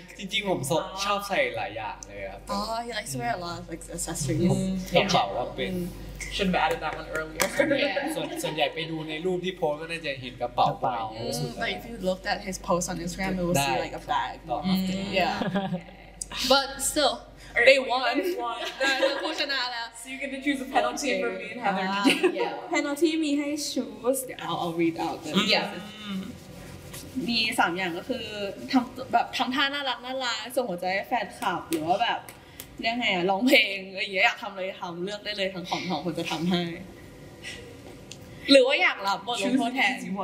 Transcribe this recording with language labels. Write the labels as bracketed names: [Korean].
[Thai] จริงๆผมชอบใส่หลายอย่างเลยครับ [English] Oh, he likes to wear a lot of like accessories. [Thai] กระเป๋าว่าเป็น [English] Should have added that one earlier. [Thai] ส่วนใหญ่ไปดูในรูปที่โพสก็น่าจะเห็นกระเป๋า เปล่า [English] But if you looked at his post on Instagram, you will see like a bag. Yeah. But still. They won. So you get to choose a penalty for me and Heather. Penalty [Thai] มีให้ [English] choose. I'll read out the answer. Yeah. [Thai] มีสามอย่างก็คือทำท่าน่ารักส่งหัวใจให้แฟนคลับหรือว่าแบบยังไงอะร้องเพลงอะไรอย่างอยากทำเลยทำเลือกได้เลยทั้งของทั้งคนจะทำให้หรือว่าอยากรับบทลงโทษแทน